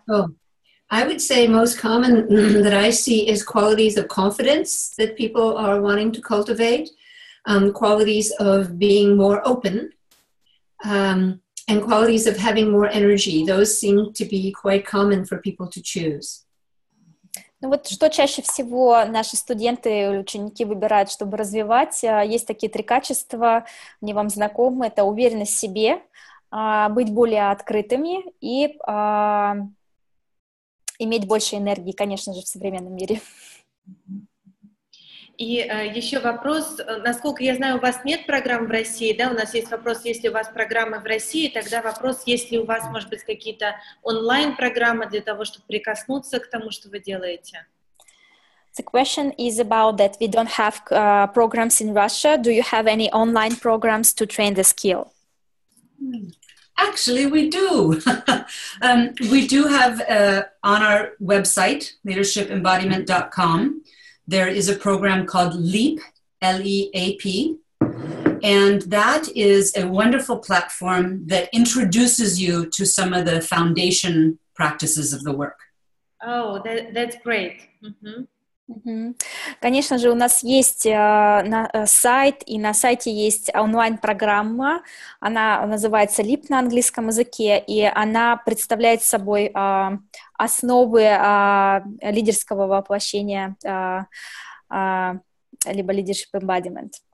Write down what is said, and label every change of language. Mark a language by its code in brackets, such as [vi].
[en] Oh, I would say most common that I see is qualities of confidence that people are wanting to cultivate, qualities of being more open, and qualities of having more energy. Those seem to be quite common for people to choose. [ru] Ну вот что чаще всего наши студенты, ученики выбирают, чтобы развивать, есть такие три качества, мне вам знакомы, это уверенность в себе, быть более открытыми и иметь больше энергии, конечно же, в современном мире. И еще вопрос, насколько я знаю, у вас нет программ в России, да, у нас есть вопрос, есть ли у вас программы в России, тогда вопрос, есть ли у вас, может быть, какие-то онлайн-программы для того, чтобы прикоснуться к тому, что вы делаете? [en] The question is about that we don't have programs in Russia. Do you have any online programs to train the skill? Actually, we do. we do have on our website, leadershipembodiment.com, there is a program called LEAP, L-E-A-P, and that is a wonderful platform that introduces you to some of the foundation practices of the work. Oh, that's great. Mm-hmm. [ru] Конечно же, у нас есть сайт, и на сайте есть онлайн-программа, она называется LEAP на английском языке, и она представляет собой основы лидерского воплощения, либо leadership embodiment.